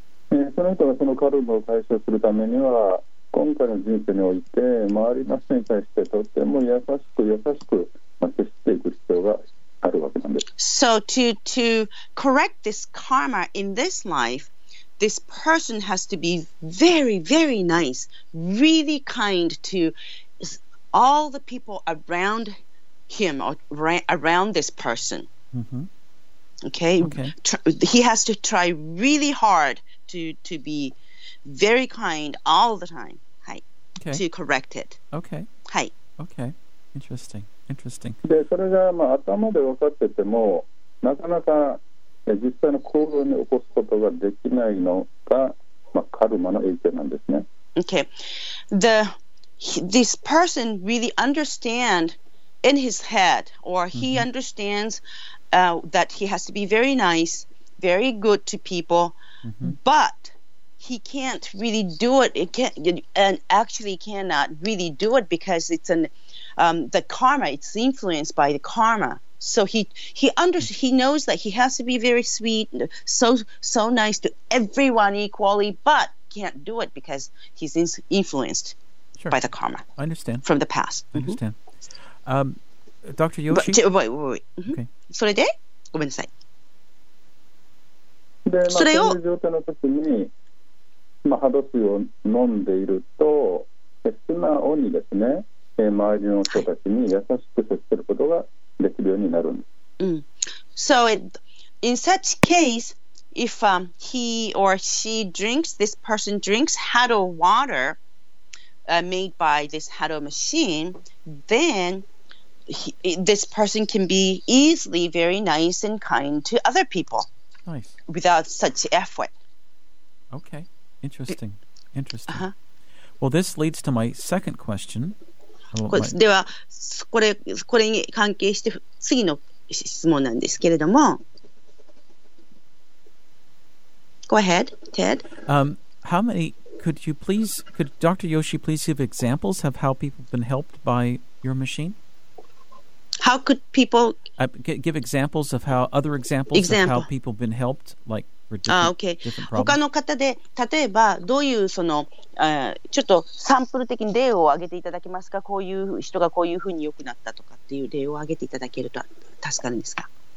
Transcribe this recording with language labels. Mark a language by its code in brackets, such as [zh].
[ja] その人がそのカルマを解消するためには、今回の人生において、周りの人に対してとても優しく、まあ、接していく必要があるわけなんです。 [en] So to correct this karma in this life, this person has to be very, very nice, really kind toAll the people around him or around this person. Mm-hmm. Okay. Okay. He has to try really hard to be very kind all the time. Hi. Okay. To correct it. Okay. Hi. Okay. Interesting. Interesting. [ja] で、それがまあ頭で分かってても、なかなか実際の行動に起こすことができないのが、まあカルマの影響なんですね。 [en] Okay. This person really understand in his head, or he mm-hmm. understands that he has to be very nice, very good to people, mm-hmm. but he can't really do it. It can't, and actually cannot really do it because it's the karma. It's influenced by the karma. So he knows that he has to be very sweet, so nice to everyone equally, but can't do it because he's influenced. Sure. By the karma. I understand. From the past. I understand. Mm-hmm. Dr. Yoshi? Wait. Mm-hmm. Okay. [ja] それで?ごめんなさい。で、まあ、それを。そういう状態の時に、まあ、波動水を飲んでいると、素直にですね、周りの人たちに優しく接することができるようになるんです。うん。 [en] So, in such case, if he or she drinks, this person drinks Hado water,made by this Hado machine, then this person can be easily very nice and kind to other people. Nice. Without such effort. Okay. Interesting. Interesting. Uh-huh. Well, this leads to my second question. [ja] では、これに関係して次の質問なんですけれども。 [en] Go ahead, Ted. Could Dr. Yoshi please give examples of how people have been helped by your machine? How could people... Give examples of how... Other examples example. Of how people have been helped, like for different, okay. different problems. [ja] 他の方で、例えばどういうその、ちょっとサンプル的に例を挙げていただけますか? こういう人がこういうふうに良くなったとかっていう例を挙げていただけると助かるんですか?